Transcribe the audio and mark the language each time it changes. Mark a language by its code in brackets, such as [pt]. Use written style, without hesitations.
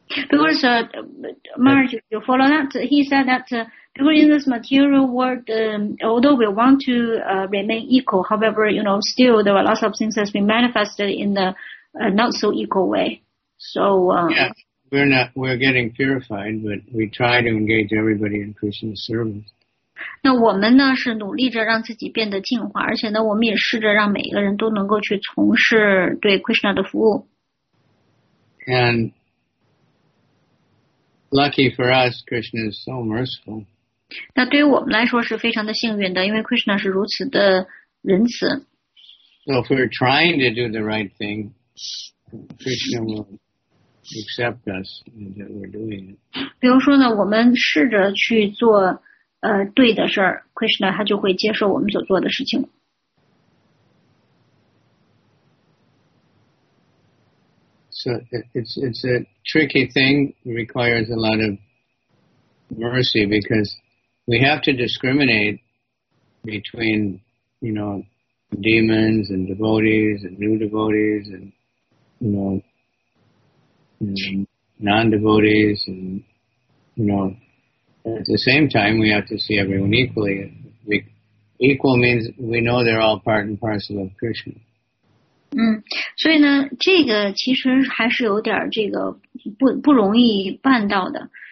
[en] Because, Marj, you follow that? He said that because in this material world, although we want to remain equal, however, you know, still there are lots of things that have been manifested in the not-so-equal way. So, we're getting purified, but we try to engage everybody in Krishna's service. [zh] 那我们呢是努力着让自己变得净化，而且呢我们也试着让每一个人都能够去从事对 Krishna 的服务。 [en] And lucky for us, Krishna is so merciful. [zh] 那对于我们来说是非常的幸运的，因为 Krishna 是如此的仁慈。 [en] So if we're trying to do the right thing, Krishna will accept us and that we're doing it. [zh] 比如说呢，我们试着去做对的事儿 ，Krishna 他就会接受我们所做的事情。 [en] So it's a tricky thing. Requires a lot of mercy because we have to discriminate between, you know, demons and devotees and new devotees and, you know, non-devotees and, you know. At the same time, we have to see everyone equally. Equal means we know they're all part and parcel of Krishna. [zh] 嗯，所以呢，这个其实还是有点这个不容易办到的。